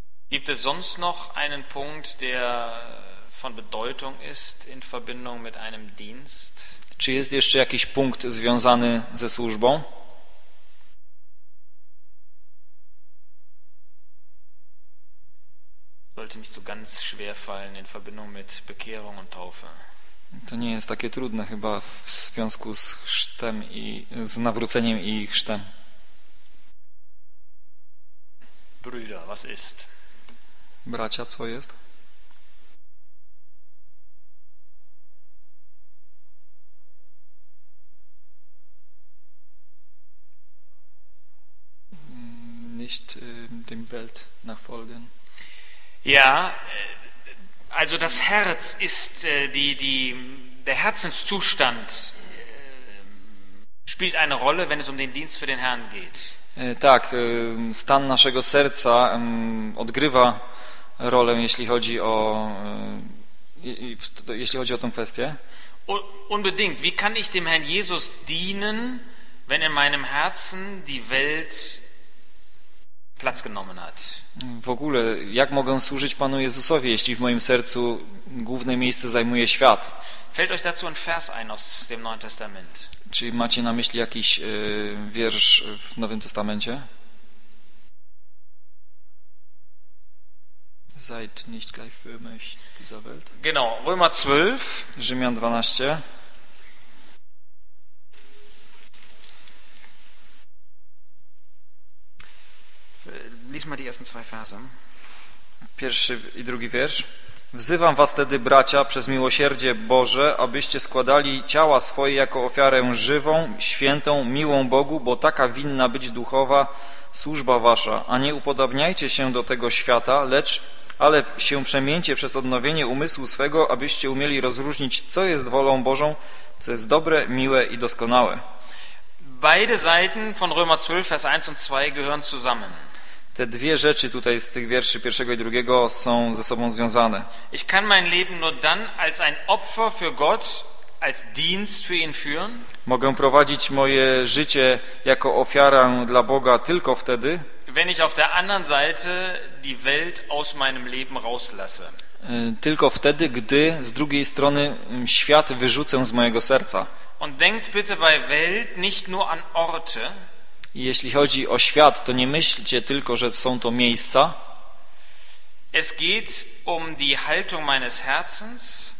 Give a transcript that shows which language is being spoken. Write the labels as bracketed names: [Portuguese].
[German] Gibt es sonst noch einen Punkt, der von Bedeutung ist in Verbindung mit einem Dienst? [Polish] Czy jest jeszcze jakiś punkt związany ze służbą? [German] Sollte nicht so ganz schwer fallen in Verbindung mit Bekehrung und Taufe. [Polish] To nie jest takie trudne chyba w związku z chrztem i z nawróceniem i chrztem. [German] Brüder, was ist? [Polish] Bracia, co jest? [German] Nicht dem Welt nachfolgen. Ja, also das Herz ist der Herzenszustand spielt eine Rolle, wenn es um den Dienst für den Herrn geht. [Polish] Tak, stan naszego serca odgrywa rolę, jeśli chodzi o tę kwestię. [German] Unbedingt. Wie kann ich dem Herrn Jesus dienen, wenn in meinem Herzen die Welt Platz genommen hat. [Polish] W ogóle, jak mogę służyć Panu Jezusowi, jeśli w moim sercu główne miejsce zajmuje świat? [German] Fällt euch dazu ein Vers ein aus dem Neuen Testament? [Polish] Czy macie na myśli jakiś wiersz w Nowym Testamencie? [German] Seid nicht gleichförmig dieser Welt. Genau, Römer 12. [Polish] Rzymian 12. [German] Lies mal die ersten zwei Verse. [Polish] Pierwszy i drugi wiersz. Wzywam was tedy, bracia, przez miłosierdzie Boże, abyście składali ciała swoje jako ofiarę żywą, świętą, miłą Bogu, bo taka winna być duchowa służba wasza. A nie upodabniajcie się do tego świata, lecz ale się przemieńcie przez odnowienie umysłu swego, abyście umieli rozróżnić, co jest wolą Bożą, co jest dobre, miłe i doskonałe. [German] Beide Seiten von Römer 12, Vers 1 und 2 gehören zusammen. [Polish] Te dwie rzeczy tutaj z tych wierszy pierwszego i drugiego są ze sobą związane. [German] Ich kann mein Leben nur dann als ein Opfer für Gott, als Dienst für ihn führen. [Polish] Mogę prowadzić moje życie jako ofiarę dla Boga tylko wtedy, [German] wenn ich auf der anderen Seite die Welt aus meinem Leben rauslasse. [Polish] Tylko wtedy, gdy z drugiej strony świat wyrzucę z mojego serca. [German] Und denkt bitte bei Welt nicht nur an Orte. [Polish] Jeśli chodzi o świat, to nie myślcie tylko, że są to miejsca. [German] Es geht um die Haltung meines Herzens.